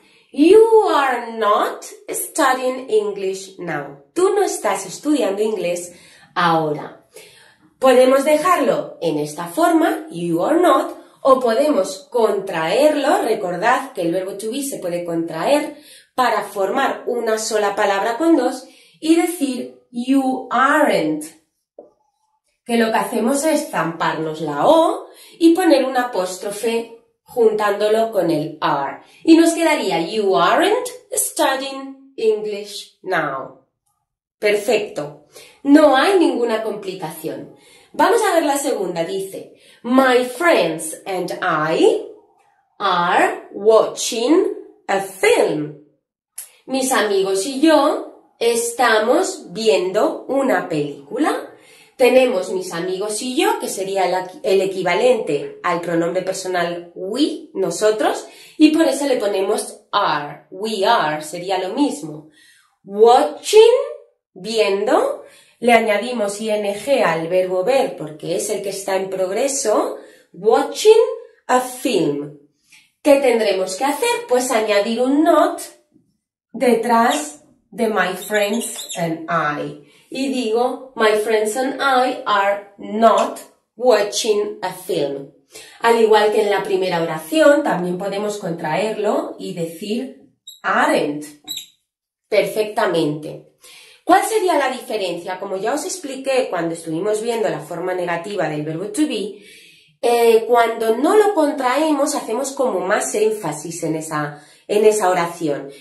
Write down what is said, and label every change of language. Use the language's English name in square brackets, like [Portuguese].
[English] You are not studying English now. [Spanish] Tú no estás estudiando inglés ahora. Podemos dejarlo en esta forma, [English] you are not, [Spanish] o podemos contraerlo. Recordad que el verbo to be se puede contraer para formar una sola palabra con dos y decir [English] you aren't. [Spanish] Que lo que hacemos es zamparnos la O y poner un apóstrofe juntándolo con el are. Y nos quedaría [English] You aren't studying English now. [Spanish] Perfecto. No hay ninguna complicación. Vamos a ver la segunda. Dice, [English] My friends and I are watching a film. [Spanish] Mis amigos y yo estamos viendo una película. Tenemos mis amigos y yo, que sería el equivalente al pronombre personal we, nosotros, y por eso le ponemos are, we are, sería lo mismo. Watching, viendo, le añadimos ing al verbo ver porque es el que está en progreso. [English] Watching a film. [Spanish] ¿Qué tendremos que hacer? Pues añadir un not detrás de [English] my friends and I. [Spanish] Y digo, [English] My friends and I are not watching a film. [Spanish] Al igual que en la primera oración, también podemos contraerlo y decir aren't perfectamente. ¿Cuál sería la diferencia? Como ya os expliqué cuando estuvimos viendo la forma negativa del verbo to be, cuando no lo contraemos, hacemos como más énfasis en esa oración.